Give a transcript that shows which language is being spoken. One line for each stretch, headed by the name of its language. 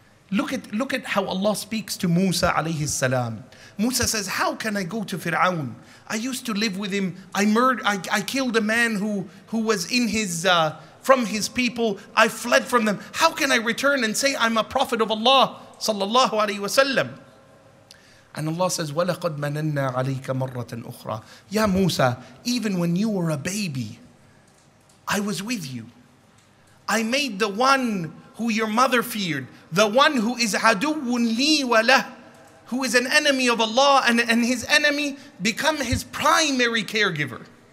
English: Look at how Allah speaks to Musa alayhi salam. Musa says, how can I go to Fir'aun? I used to live with him. I killed a man who was in his from his people. I fled from them. How can I return and say I'm a prophet of Allah sallallahu alayhi wa sallam? And Allah says,
Arabic: وَلَقَدْ مَنَنَّا عَلَيْكَ مَرَّةً أُخْرَى.
English: Ya Musa, even when you were a baby, I was with you. I made the one who your mother feared, the one who is
Arabic: aduun li wa lah,
English: who is an enemy of Allah and his enemy, become his primary caregiver.